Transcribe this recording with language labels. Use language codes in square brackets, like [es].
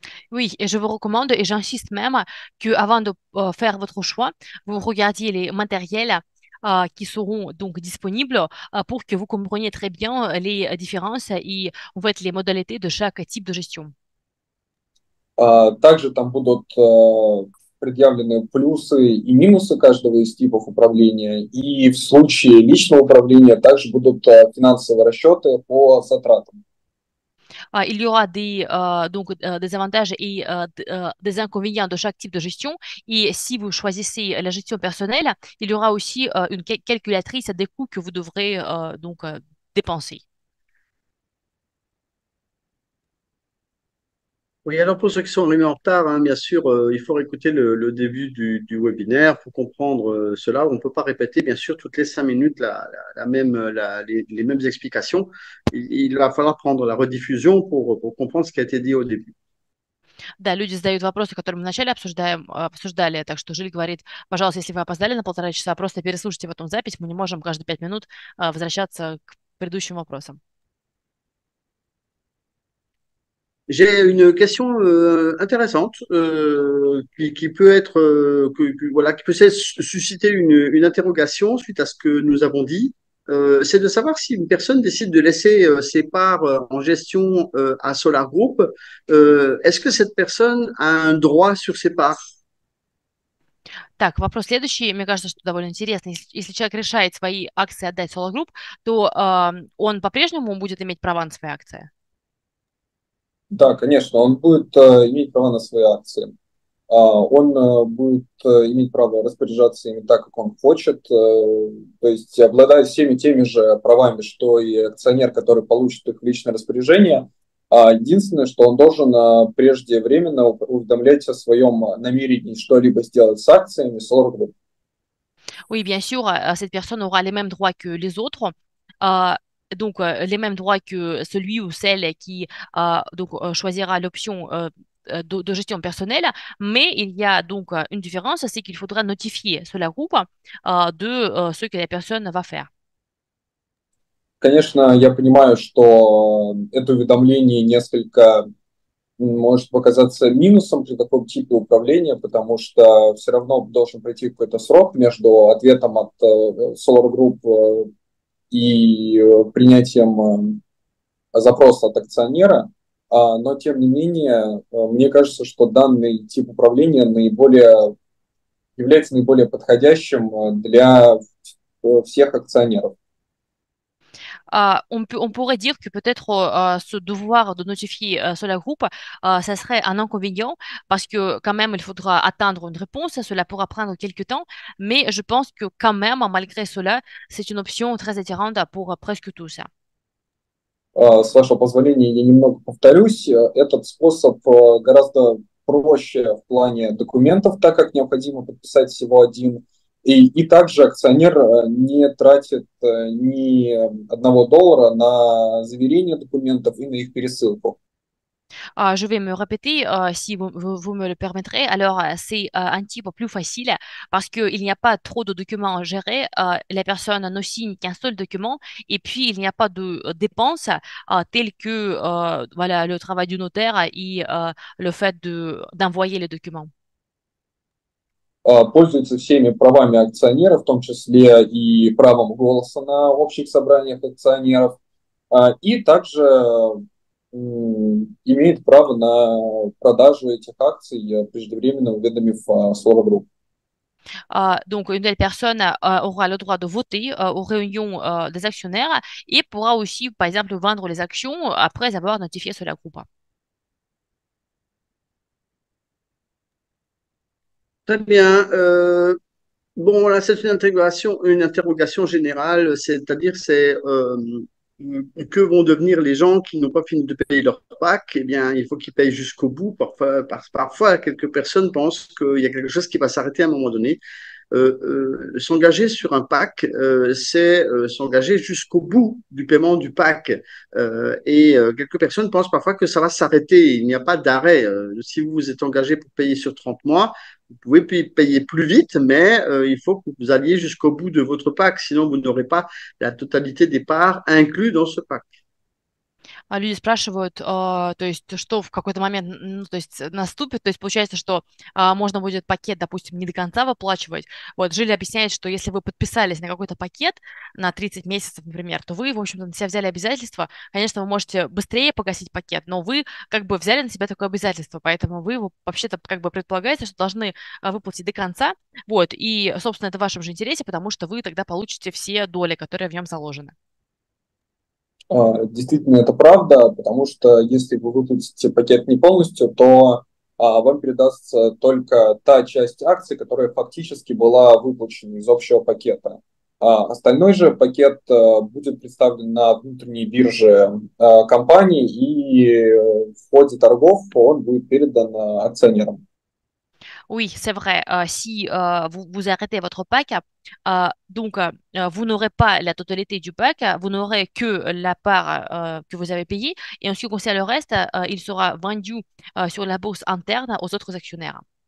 [fr] Oui, et je vous recommande, et j'insiste même, qu'avant de faire votre choix, vous regardiez les matériels qui seront donc disponibles pour que vous compreniez très bien les différences et en fait, les modalités de chaque type de gestion. [ru] Также там будут предъявлены плюсы и минусы каждого из типов управления, и в случае личного управления также будут финансовые расчеты по затратам. [fr] Il y aura des avantages et des inconvénients de chaque type de gestion. Et si vous choisissez la gestion personnelle, il y aura aussi une calculatrice des coûts que vous devrez dépenser. Oui, alors pour ceux qui sont arrivés en retard, hein, bien sûr, il faut écouter le début du webinaire pour comprendre cela. On ne peut pas répéter, bien sûr, toutes les 5 minutes les mêmes explications. Il va falloir prendre la rediffusion pour comprendre ce qui a été dit au début. [ru] Да, люди задают вопросы, которые мы вначале обсуждали. Так что Жиль говорит, пожалуйста, если вы опоздали на 1,5 часа, просто переслушайте потом запись. Мы не можем каждые 5 минут возвращаться к предыдущим вопросам. [fr] J'ai une question intéressante qui peut être voilà qui peut susciter une interrogation suite à ce que nous avons dit. C'est de savoir si une personne décide de laisser ses parts en gestion à Solar Group, est-ce que cette personne a un droit sur ses parts? [ru] Так, вопрос следующий. Мне кажется, что довольно интересно. Если человек решает свои акции отдать Solar Group, то он по-прежнему будет иметь права на свои акции. Да, конечно, он будет иметь право на свои акции. Он будет иметь право распоряжаться ими так, как он хочет, то есть обладая всеми теми же правами, что и акционер, который получит их в личное распоряжение. Единственное, что он должен преждевременно уведомлять о своем намерении что-либо сделать с акциями Solar Group. Oui, bien sûr, cette personne aura les mêmes droits que les autres, donc les mêmes droits que celui ou celle qui choisira l'option de gestion personnelle, mais il y a donc une différence, c'est qu'il faudra notifier cela groupe de ce que la personne va faire. Конечно, я понимаю, что это уведомление несколько может показаться минусом при таком типе управления, потому что все равно должен пройти какой-то срок между ответом от Solar Group и принятием запроса от акционера. Но тем не менее, мне кажется, что данный тип управления является наиболее подходящим для всех акционеров. [fr] On pourrait dire que peut-être ce devoir de notifier Solar Group, ça serait un inconvénient parce que quand même, il faudra attendre une réponse. Cela pourra prendre quelques temps, mais je pense que quand même, malgré cela, c'est une option très attirante pour presque tous. [ru] С вашего позволения, я немного повторюсь. Этот способ гораздо проще в плане документов, так как необходимо подписать всего один. И также акционер не тратит ни одного доллара на заверение документов и на их пересылку. [fr] Je vais me répéter, si vous me le permettrez. Alors, c'est un type plus facile parce qu'il n'y a pas trop de documents à gérer. La personne ne signe qu'un seul document et puis il n'y a pas de dépenses telles que voilà, le travail du notaire et le fait d'envoyer les documents. [ru] Пользуется всеми правами акционера, в том числе и правом голоса на общих собраниях акционеров, и также имеет право на продажу этих акций, преждевременно уведомив Solar Group. [fr] Donc, une telle personne aura le droit de voter aux réunions des actionnaires et pourra aussi, par exemple, vendre les actions après avoir notifié cela au groupe. Très bien. Bon, voilà, c'est une interrogation générale, c'est-à-dire c'est que vont devenir les gens qui n'ont pas fini de payer leur PAC? Eh bien, il faut qu'ils payent jusqu'au bout. Parfois, quelques personnes pensent qu'il y a quelque chose qui va s'arrêter à un moment donné. S'engager sur un PAC, c'est s'engager jusqu'au bout du paiement du PAC. Quelques personnes pensent parfois que ça va s'arrêter. Il n'y a pas d'arrêt. Si vous vous êtes engagé pour payer sur 30 mois, vous pouvez puis payer plus vite, mais il faut que vous alliez jusqu'au bout de votre PAC, sinon vous n'aurez pas la totalité des parts incluses dans ce PAC. [ru] Люди спрашивают, то есть, что в какой-то момент, ну, то есть, наступит, то есть, получается, что можно будет пакет, допустим, не до конца выплачивать. Вот, Жили объясняет, что если вы подписались на какой-то пакет на 30 месяцев, например, то вы, в общем-то, на себя взяли обязательство. Конечно, вы можете быстрее погасить пакет, но вы как бы взяли на себя такое обязательство, поэтому вы вообще-то как бы предполагаете, что должны выплатить до конца. Вот, и, собственно, это в вашем же интересе, потому что вы тогда получите все доли, которые в нем заложены. Действительно, это правда, потому что если вы выплатите пакет не полностью, то вам передастся только та часть акций, которая фактически была выплачена из общего пакета. Остальной же пакет будет представлен на внутренней бирже компании, и в ходе торгов он будет передан акционерам. [fr] Oui, c'est vrai. Si vous arrêtez votre PAC, vous n'aurez pas la totalité du PAC, vous n'aurez que la part que vous avez payée. Et en ce qui concerne le reste, il sera vendu sur la bourse interne aux autres actionnaires.